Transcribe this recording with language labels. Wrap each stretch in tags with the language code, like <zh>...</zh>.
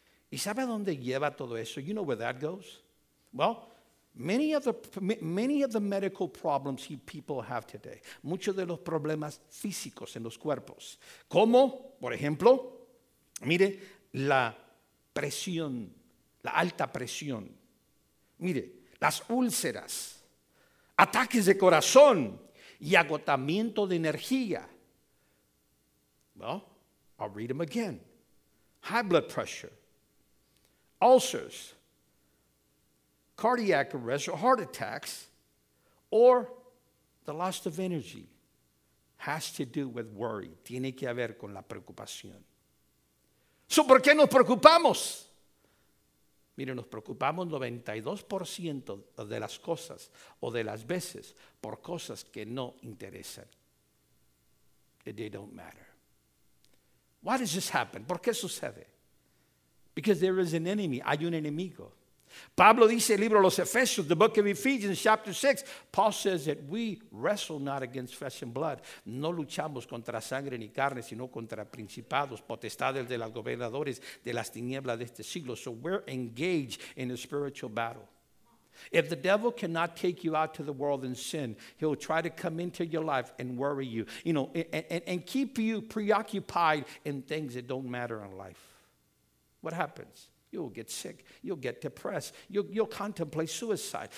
<es>¿Y sabe a dónde lleva todo eso?</es> <en>You know where that goes? Well, many of the medical problems people have today,</en> <es>muchos de los problemas físicos en los cuerpos, como, por ejemplo, mire, la presión, la alta presión. Mire, las úlceras, ataques de corazón y agotamiento de energía.</es> <en>Well, I'll read them again. High blood pressure, ulcers, cardiac arrest or heart attacks, or the loss of energy has to do with worry.</en> <es>Tiene que ver con la preocupación. So, ¿por qué nos preocupamos? Mire, nos preocupamos 92% de las cosas o de las veces por cosas que no interesan.</es> <en>They don't matter. Why does this happen?</en> <es>¿Por qué sucede?</es> <en>Because there is an enemy.</en> <es>Hay un enemigo. Pablo dice, el libro de los Efesios,</es> <en>the book of Ephesians, chapter 6, Paul says that we wrestle not against flesh and blood.</en> <es>No luchamos contra sangre ni carne, sino contra principados, potestades de los gobernadores de las tinieblas de este siglo.</es> <en>So we're engaged in a spiritual battle. If the devil cannot take you out to the world in sin, he'll try to come into your life and worry you, you know, and keep you preoccupied in things that don't matter in life. What happens? You'll get sick. You'll get depressed. You'll contemplate suicide.</en>